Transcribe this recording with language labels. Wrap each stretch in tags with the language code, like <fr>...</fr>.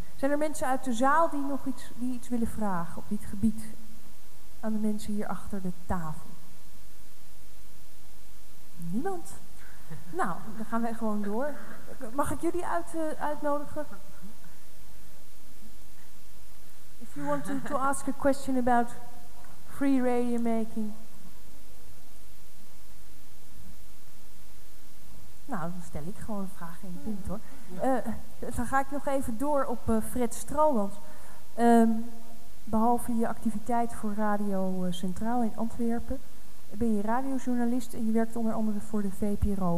<nl>Zijn er mensen uit de zaal die nog iets willen vragen op dit gebied aan de mensen hier achter de tafel? Niemand? Nou, dan gaan wij gewoon door. Mag ik jullie uitnodigen?</nl> <en>If you want to ask a question about free radio making.</en> <nl>Nou, dan stel ik gewoon een vraag in punt hoor. Dan ga ik nog even door op Fred Strooland. Behalve je activiteit voor Radio Centraal in Antwerpen, ben je radiojournalist en je werkt onder andere voor de VPRO.</nl>